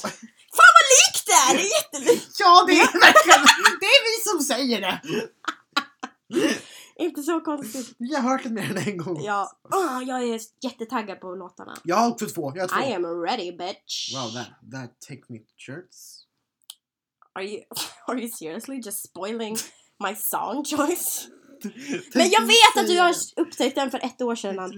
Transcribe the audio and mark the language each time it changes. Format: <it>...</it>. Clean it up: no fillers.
<sv>Fan vad likt det är, det är jättelikt. Ja, det är verkligen. Det är vi som säger det. Inte så konstigt. Vi har hört det mer än en gång. Ja. Oh, jag är jättetaggad på låtarna. Jag har också två. Jag har två.</sv> <en>I am ready, bitch. Wow, that take me to church. Are you seriously just spoiling my song choice?</en> <sv>Men jag vet att du har upptäckt den för 1 år sedan, Anton.</sv>